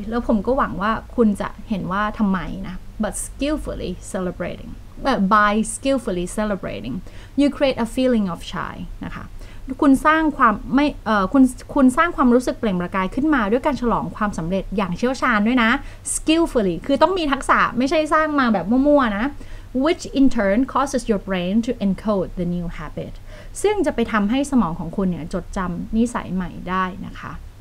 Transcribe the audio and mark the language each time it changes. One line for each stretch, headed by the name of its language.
Thai: แล้วผมก็หวังว่าคุณจะเห็นว่าทำไมนะ
English: But skillfully celebrating. By skillfully celebrating, you create a feeling of shy.
Thai: นะคะคุณสร้างความไม่คุณสร้างความรู้สึกเปล่งประกายขึ้นมาด้วยการฉลองความสำเร็จอย่างเชี่ยวชาญด้วยนะ skillfully คือต้องมีทักษะไม่ใช่สร้างมาแบบมั่วๆนะ
English: which in turn causes your brain to encode the new habit
Thai: ซึ่งจะไปทำให้สมองของคุณเนี่ยจดจำนิสัยใหม่ได้นะคะ